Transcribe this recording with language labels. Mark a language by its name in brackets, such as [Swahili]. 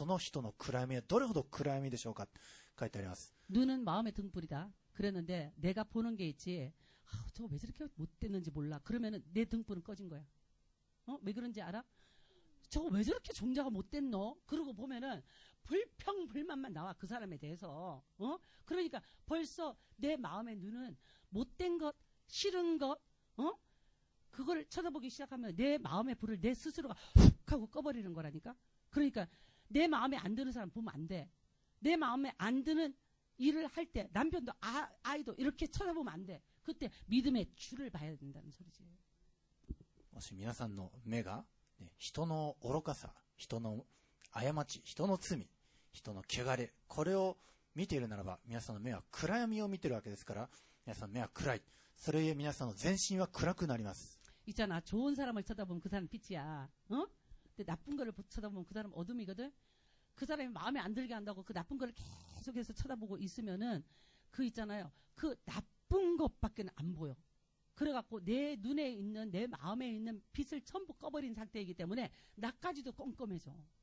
[Japanese] 皆さんの目は何に目を注ぐべきか、これが大事です。もし皆さんの目、体の明かりは目ですと書いてあります。この目がもし暗かったら、その人の暗闇はどれほど暗闇でしょうか、書いてあります。 [Korean] 눈은 마음의 등불이다. 그랬는데 내가 보는 게 있지. 아, 저 왜 저렇게 못됐는지 몰라. 그러면은 내 등불은 꺼진 거야. 어? 왜 그런지 알아? 저 왜 저렇게 종자가 못됐노? 그러고 보면은 불평불만만 나와, 그 사람에 대해서. 어? 그러니까 벌써 내 마음의 눈은 못된 것, 싫은 것, 어? 그걸 쳐다보기 시작하면 내 마음의 불을 내 스스로가 훅 하고 꺼버리는 거라니까. 그러니까 내 마음에 안 드는 사람 보면 안 돼. 내 마음에 안 드는 일을 할 때 남편도 아이도 이렇게 쳐다보면 안 돼. 그때 믿음의 줄을 봐야 된다는 소리지. 혹시 여러분의 눈이 [Japanese] 人の愚かさ、人の過ち、人の罪、人の汚れ、これを見ているならば、皆さんの目は暗闇を見ているわけですから、皆さんの目は暗い。それゆえ皆さんの全身は暗くなります。 [Korean] 있잖아, 좋은 사람을 쳐다보면 그 사람 빛이야. 어? 근데 나쁜 거를 쳐다보면 그 사람 어둠이거든. 그 사람이 마음에 안 들게 한다고 그 나쁜 거를 계속해서 쳐다보고 있으면은 그 있잖아요. 그 나쁜 것밖에 안 보여. 그래갖고 내 눈에 있는 내 마음에 있는 빛을 전부 꺼버린 상태이기 때문에 나까지도 껌껌해져.